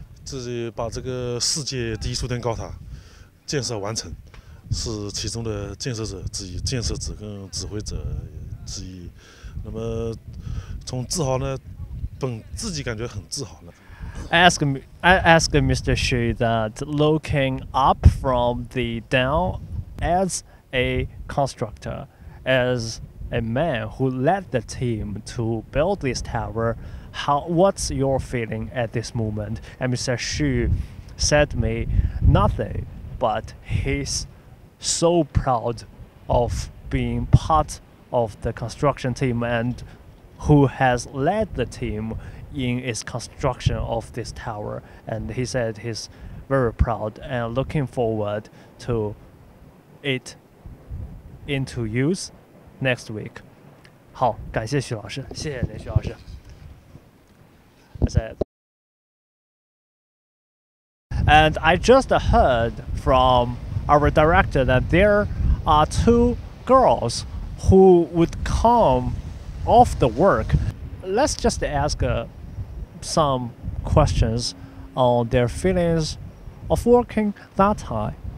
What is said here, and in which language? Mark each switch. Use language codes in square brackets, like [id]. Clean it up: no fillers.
[zh] 自己把这个世界第一苏丹高塔建设完成，是其中的建设者之一，建设者跟指挥者之一。那么从自豪呢，本自己感觉很自豪呢。 [en] I ask Mr. Xu that looking up from the down as a constructor, as a man who led the team to build this tower, what's your feeling at this moment? And Mr. Xu said to me nothing, but he's so proud of being part of the construction team and who has led the team in its construction of this tower. And he said he's very proud and looking forward to it into use next week. [zh] 好，感谢许老师，谢谢您，许老师。 [en] And I just heard from our director that there are two girls who would come off the work. Let's just ask some questions on their feelings of working that time.